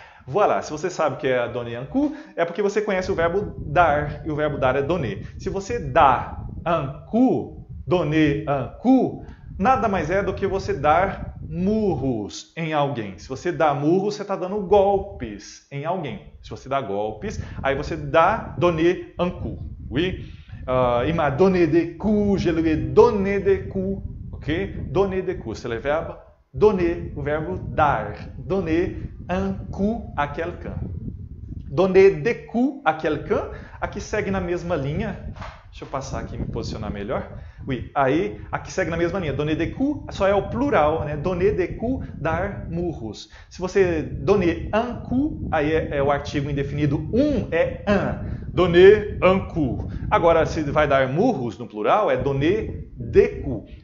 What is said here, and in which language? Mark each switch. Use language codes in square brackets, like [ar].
[pt] Voilà, se você sabe o que é [fr] donner un coup, [pt] é porque você conhece o verbo dar, e o verbo dar é donner. Se você dá [fr] un coup, donner un coup, [pt] nada mais é do que você dar murros em alguém. Se você dá murros, você está dando golpes em alguém. Se você dá golpes, aí você dá [fr] donner un coup. Oui? Il m'a donné des coups, je lui ai donné des coups. Ok? Donné des coups, c'est le verbe donner, [pt] o verbo dar. [fr] Donner un coup à quelqu'un. Donner des coups à quelqu'un, [pt] aqui segue na mesma linha, Deixa eu passar aqui e me posicionar melhor. Ui, aí, aqui segue na mesma linha. [fr] Donner des coups [pt] só é o plural, né? Donner des coups, dar murros. Se você [fr] donner un coup, [pt] aí é o artigo indefinido. Um é un. [fr] Donner un coup. [pt] Agora, se vai dar murros no plural, é [fr] donner des coups.